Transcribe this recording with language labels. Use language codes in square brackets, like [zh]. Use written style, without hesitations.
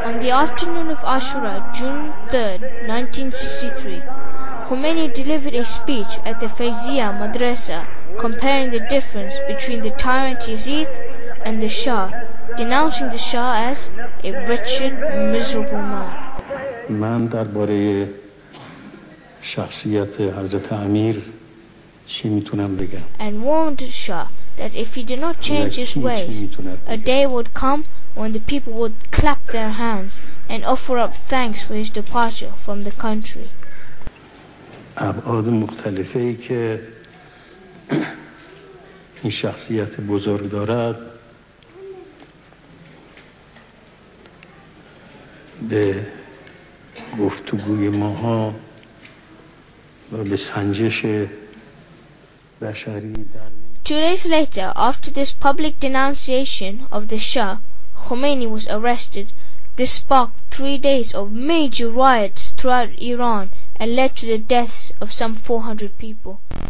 [en] Afternoon of Ashura, June 3, 1963, Khomeini delivered a speech at the Faizia Madrasa comparing the difference between the tyrant Yazid and the Shah, denouncing the Shah as a wretched, miserable man. [fa] من درباره شخصیت حضرت امیر چی میتونم بگم؟ [en] And warned Shah that if he did not change his ways, a day would come when the people would clap their hands and offer up thanks for his departure from the country. [fa] ابعاد مختلفه ای که این شخصیت بزرگ دارد به گفتگوی ماها و به سنجش بشری در [en] Two days later, after this public denunciation of the Shah, Khomeini was arrested. This sparked 3 days of major riots throughout Iran and led to the deaths of some 400 people.